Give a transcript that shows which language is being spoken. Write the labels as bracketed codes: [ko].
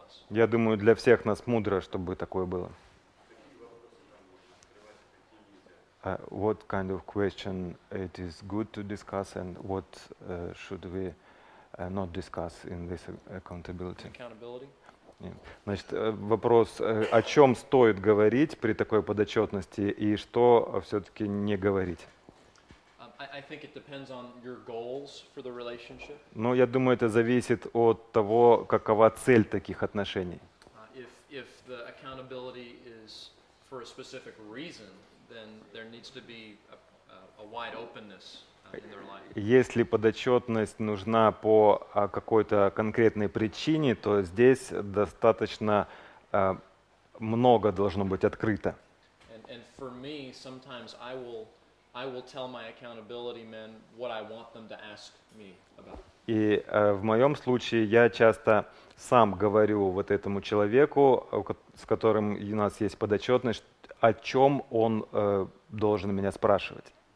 [ru] Я думаю, для всех нас мудро, чтобы такое было. [en] What kind of question it is good to discuss and what should we not discuss in this accountability? [ru] Значит, вопрос, о чем стоит говорить при такой подотчетности и что все-таки не говорить? [en] I think it depends on your goals for the relationship. [ru] Ну, я думаю, это зависит от того, какова цель таких отношений. [en] If the accountability is for a specific reason, then there needs to be a wide openness in their life. [ru] Если подотчетность нужна по какой-то конкретной причине, то здесь достаточно много должно быть открыто. [en] And for me, sometimes I will tell my accountability men what I want them to ask me about. [ru] И в моем случае я часто сам говорю вот этому человеку, с которым у нас есть подотчетность, о чем он должен меня спрашивать.